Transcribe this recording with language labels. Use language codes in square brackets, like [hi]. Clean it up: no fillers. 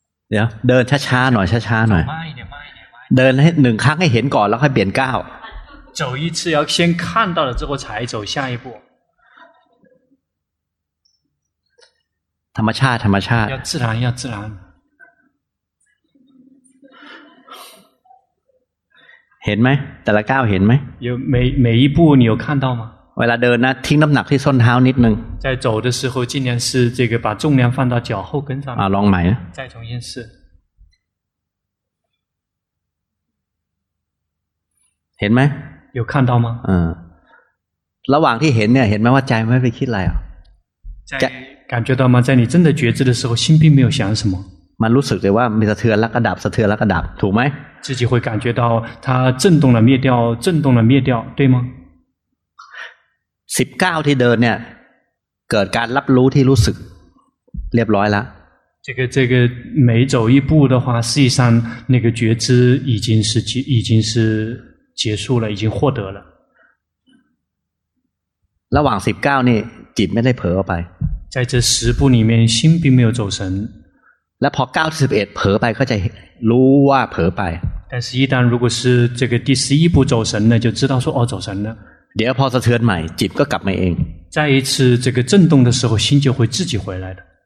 [th] เดี๋ยวเดินช้าๆหน่อยช้าๆหน่อยเดินให้1ครั้งให้เห็นก่อนแล้วค่อยเปลี่ยนก้าว [zh] 走一次要先看到了之后才走下一步 [th] ธรรมชาติ [zh] 要自然 [th] เห็นไหมแต่ละก้าวเห็นไห [zh] ม每一步你有看到吗 [th] เวลาเดินนะทิ้งน้ำหนักที่ส้นเท้านิดนึง [zh] 在走的时候尽量是这个把重量放到脚后跟上 [th] ลองใหม่ [zh] 再重新试 [th] เห็นไหม [zh] 有看到吗 [th] ระหว่างที่เห็นเนี่ยเห็นไหมว่าใจไม่ไปคิดอะไรอ่ะ [zh] 在感觉到吗在你真的觉知的时候心并没有想什么 [th] มันรู้สึกเลยว่ามีสะเทือนแล้วก็ดับสะเทือนแล้วก็ดับถูกไหม [zh] 自己会感觉到它震动了灭掉震动了灭掉对吗 [th] 19ที่เดินเนี่ยเกิดการรับรู้ที่รู้สึกเรียบร้อยแล้ [zh] ว这个每走一步的话实际上那个觉知已经是结束了已经获得了 [th] ระหว่าง19นี่จิตไม่ได้เผลอไป [zh] 在这十步里面心并没有走神 [th] และพอ9 11เผลอไปก็จะรู้ว่าเผลอไป [zh] 但是一旦如果是这个第11步走神呢就知道说哦走神了 [th] เดี๋ยวพอสะเทือนใหม่จิตก็กลับมาเอง [zh] 再一次这个震动的时候心就会自己回来的